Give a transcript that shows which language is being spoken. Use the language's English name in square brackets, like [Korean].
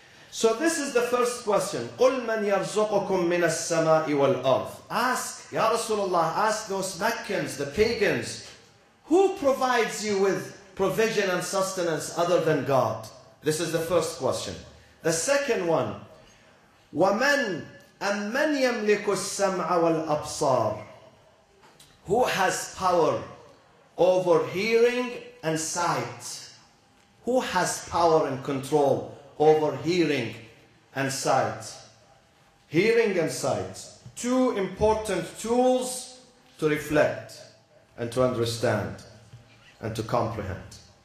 [English] So this is the first question. [Arabic] قُلْ مَنْ يَرْزُقُكُمْ مِنَ السَّمَاءِ وَالْأَرْضِ. [English] Ask, Ya Rasulullah, ask those Meccans, the pagans, Who provides you with provision and sustenance other than God? This is the first question. The second one, [Arabic] وَمَنْ أَمَّنْ يَمْلِكُ السَّمْعَ وَالْأَبْصَارِ. [English] Who has power over hearing and sight? Who has power and control over hearing and sight? Hearing and sight. Two important tools to reflect and to understand and to comprehend.